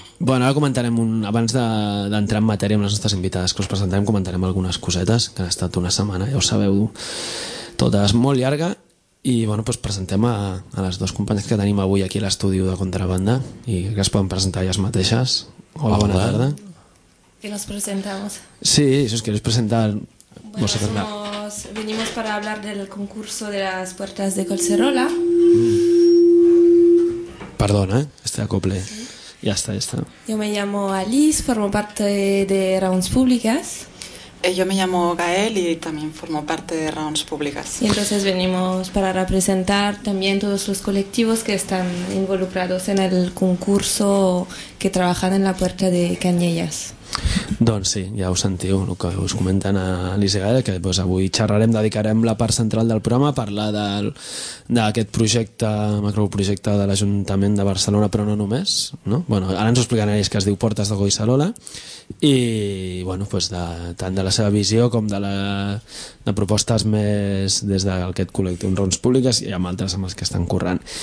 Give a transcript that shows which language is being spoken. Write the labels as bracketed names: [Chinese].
[Catalan] Bueno, ara comentarem, abans d'entrar en matèria amb les nostres invitades que us presentarem, comentarem algunes cosetes que han estat una setmana, ja ho sabeu, totes molt llarga. I bueno, pues presentem a les dues companyes que tenim avui aquí a l'estudi de Contrabanda i que es poden presentar elles mateixes. Hola, bona tarda. [Spanish] Que nos presentamos. Sí, si os queréis presentar. Bueno, venimos para hablar del concurso de las puertas de Collserola. Perdona, este acople. Sí. Ya está. Yo me llamo Alice, formo parte de Rounds Públicas. Yo me llamo Gael y también formo parte de Rounds Públicas. Y entonces venimos para representar también todos los colectivos que están involucrados en el concurso que trabajan en la puerta de Canyelles. [Catalan] Doncs sí, ja ho sentiu, el que us comenten a Alice i Gael, que doncs, avui xerrarem, dedicarem la part central del programa a parlar d'aquest projecte, macroprojecte de l'Ajuntament de Barcelona, però no només. No? Bueno, ara ens ho explicaran ells, que es diu Portes de Collserola, i bueno, doncs, tant de la seva visió com de propostes més des d'aquest col·lectiu en Rounds Públiques i amb altres amb els que estan currant.